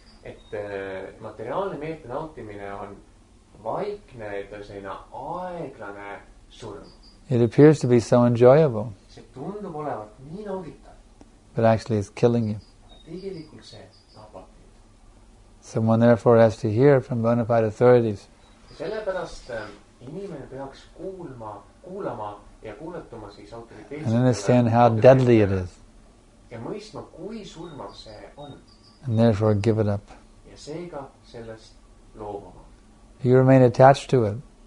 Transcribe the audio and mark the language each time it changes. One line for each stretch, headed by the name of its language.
Estonian: Et materiaalne meelte nautimine on vaikne, et on selline aeglane surm.
English: It appears to be so enjoyable.
Estonian: See tundub olevat nii nautitav.
English: But actually it's killing you.
Estonian: Tegelikult see tapab.
English: Someone therefore has to hear from bona fide authorities.
Estonian: Sellepärast inimene peaks kuulama ja kuulatuma siis autoriteetsetele.
English: And understand how deadly it is.
Estonian: Ja mõistma, kui surmav see on.
English: And therefore give it up.
Estonian: Ja seega sellest loobama.
English: You remain attached to it.